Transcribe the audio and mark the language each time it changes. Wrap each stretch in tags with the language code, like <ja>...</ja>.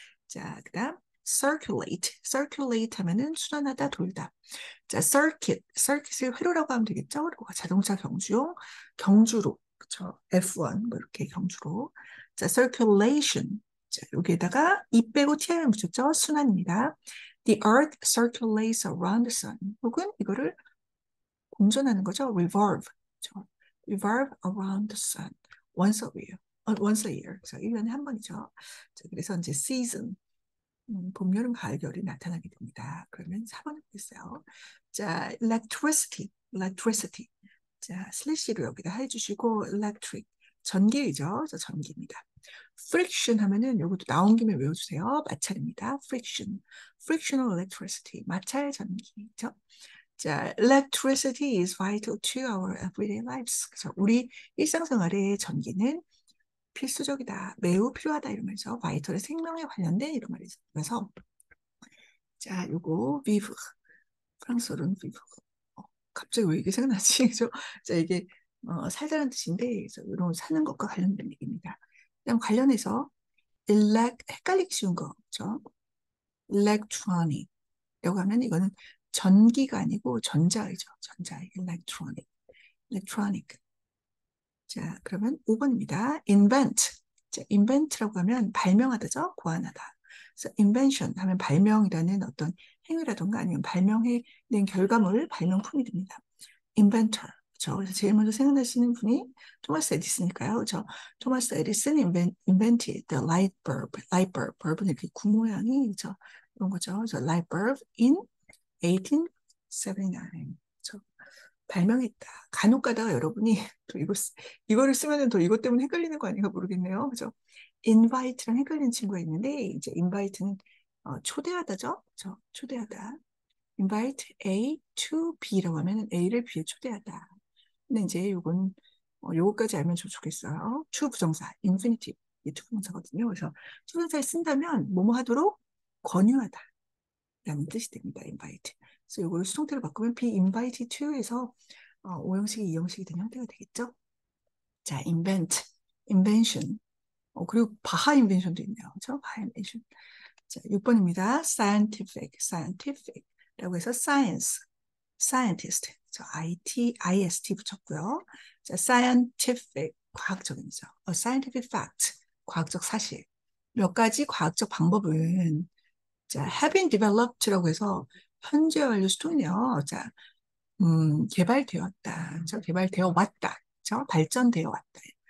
<ko>자, 그다음 circulate 하면은 순환하다, 돌다. 자, circuit을 회로라고 하면 되겠죠? 그리고 자동차 경주용 경주로, 그렇죠? F1 뭐 이렇게 경주로. 자, circulation. 자, 여기에다가 E 빼고 T-I-M 붙였죠? 순환입니다.</ko> <en>The Earth circulates around the sun.</en> <ko>혹은 이거를 공전하는 거죠.</ko> <en>Revolve. revolve around the sun once a year. Once a year.</en> <ko>그래서 1년에 한 번이죠. 그래서 이제 season. 봄, 여름, 가을, 겨울이 나타나게 됩니다. 그러면 4번 보겠어요. 자, electricity. electricity. 자, 슬래시로 여기다 해주시고, electric. 전기이죠. 저 전기입니다. friction 하면은 요것도 나온 김에 외워주세요. 마찰입니다. friction.</ko> <en>frictional electricity.</en> <ko>마찰 전기죠.</ko> <en>자, electricity is vital to our everyday lives.</en> <ko>그래서 우리 일상생활의 전기는 필수적이다. 매우 필요하다. 이러면서 vital의 생명에 관련된 이런 말이 있어서. 자, 요거 vivre. 프랑스어로는 vivre. 갑자기 왜 이게 생각나지? 그래서 이게 살다란 뜻인데, 그래서 이런 사는 것과 관련된 얘기입니다. 그다음 관련해서 elect 헷갈리기 쉬운 거, 그렇죠? electronic이라고 하면 이거는 전기가 아니고 전자이죠. 전자, electronic. 자, 그러면 5번입니다. invent. 자, invent라고 하면 발명하다죠. 고안하다. 그래서 invention 하면 발명이라는 어떤 행위라든가 아니면 발명해낸 결과물, 발명품이 됩니다. inventor. 그렇죠? 그래서 제일 먼저 생각나시는 분이 토마스 에디슨일까요? 그렇죠?</ko> <en>토마스 에디슨 invented the light bulb. light bulb.</en> <ko>bulb은 이렇게 구 모양이 그렇죠? 이런 거죠.</ko> <en>그래서 light bulb in 1879.</en> <ko>그렇죠? 발명했다. 간혹 가다가 여러분이 또 이거를 쓰면 또 이것 때문에 헷갈리는 거 아닌가 모르겠네요. 그렇죠? invite랑 헷갈리는 친구가 있는데 이제 invite는 초대하다죠. 그렇죠? 초대하다. invite A to B라고 하면 A를 B에 초대하다. 근데 이제 요건 요것까지 알면 좋겠어요. to 부정사, infinitive 이게 to 부정사거든요. 그래서 to 부정사를 쓴다면 뭐뭐 하도록 권유하다라는 뜻이 됩니다.</ko> <en>invite.</en> <ko>그래서 요걸 수동태로 바꾸면 be invited to에서 5형식이 2형식이 되는 형태가 되겠죠?</ko> <en>자, invent, invention.</en> <ko>그리고 바하 인벤션도 있네요. 그렇죠? 바하 인벤션. 자, 6번입니다.</ko> <en>scientific라고 해서 science, scientist.</en> <ko>저 IT, IST 붙였고요. 자, scientific, 과학적인이죠.</ko> <en>A scientific fact,</en> <ko>과학적 사실. 몇 가지 과학적 방법은 자,</ko> <en>have been developed</en> <ko>라고 해서 현재 완료 수동이네요. 자, 개발되었다. 저 개발되어 왔다. 저 발전되어 왔다.</ko>